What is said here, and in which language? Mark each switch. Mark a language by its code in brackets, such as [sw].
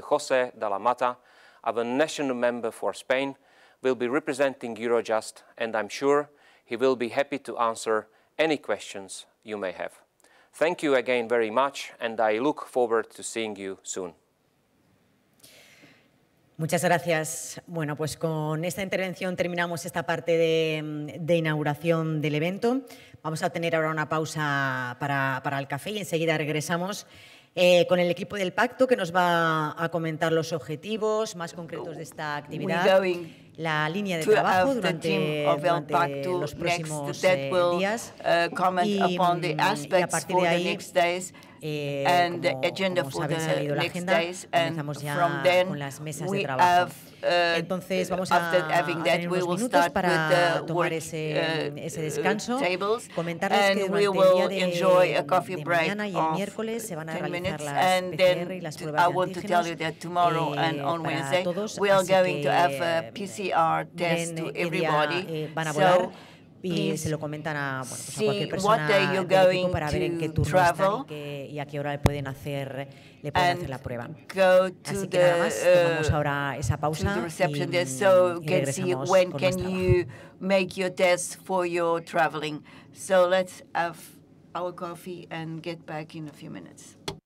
[en] José de la Mata, of a national member for Spain, will be representing Eurojust, and I'm sure he will be happy to answer any questions you may have. Thank you again very much, and I look forward to seeing you soon. [es] Muchas gracias. Bueno, pues con esta intervención terminamos esta parte de inauguración del evento. Vamos a tener ahora una pausa para el café y enseguida regresamos con el equipo del pacto que nos va a comentar los objetivos más concretos de esta actividad, la línea de trabajo durante los próximos días y a partir de ahí [en] and the agenda for the next days, and from then we have, after having that, we will start with the work tables, and we will enjoy a coffee break of 10 minutes, and then I want to tell you that tomorrow and on Wednesday, we are going to have a PCR test to everybody, so [es] y se lo comentan a, pues, a cualquier persona del equipo para ver en qué turno están y a qué hora le pueden hacer la prueba. Así que nada más, tomamos ahora esa pausa y regresamos con nuestro [en] you make your test for your traveling. So let's have our coffee and get back in a few minutes.